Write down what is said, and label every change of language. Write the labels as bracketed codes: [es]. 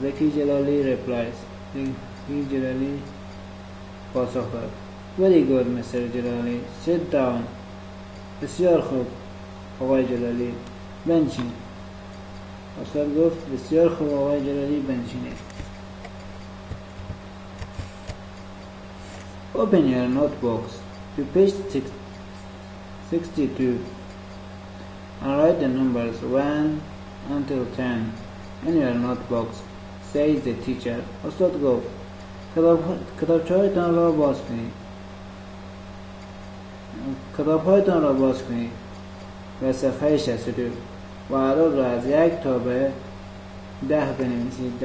[fa] زکی جلالی [en] Replies. [fa] زکی جلالی پاسخ داد. [en] Very good [fa] مستر جلالی. [en] Sit down. [fa] بسیار خوب آقای جلالی بنشین. استاد گفت بسیار خوب آقای جلالی بنشینه. [en] Open your notebook to page 62 and write the numbers 1 until 10 in your notebook, says the teacher. [fa] استاد گفت کتابچه‌هایتان را باز کنید. کتاب‌هایتان را باز کنید و صفحه 62 و عدد را از 1 تا به 10 بنویسید.